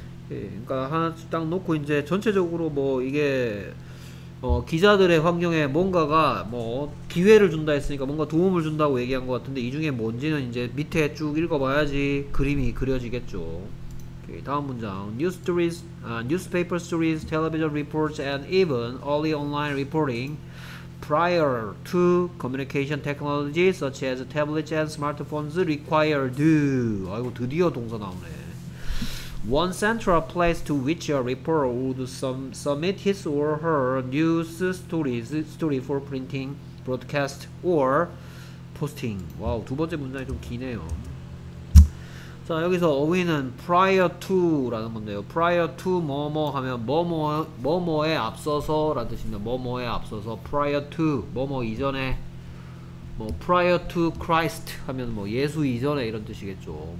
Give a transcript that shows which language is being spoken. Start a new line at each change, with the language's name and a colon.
Korean: 예, 그러니까 하나 딱 놓고 이제 전체적으로 뭐 이게 기자들의 환경에 뭔가가 뭐 기회를 준다 했으니까 뭔가 도움을 준다고 얘기한 것 같은데 이 중에 뭔지는 이제 밑에 쭉 읽어봐야지 그림이 그려지겠죠. 다음 문장,
English: newspaper stories, television reports, and even early online reporting prior to communication technologies such as tablets and smartphones required.
Korean: 아이고 드디어 동사 나오네.
English: One central place to which a reporter would submit his or her news story for printing, broadcast, or posting.
Korean: 와우, 두 번째 문장이 좀 기네요. 자, 여기서 어휘는 prior to라는 건데요. prior to 뭐뭐 하면 뭐뭐 뭐뭐에 앞서서라는 뜻입니다. 뭐뭐에 앞서서 prior to 뭐뭐 이전에 뭐 prior to Christ 하면 뭐 예수 이전에 이런 뜻이겠죠.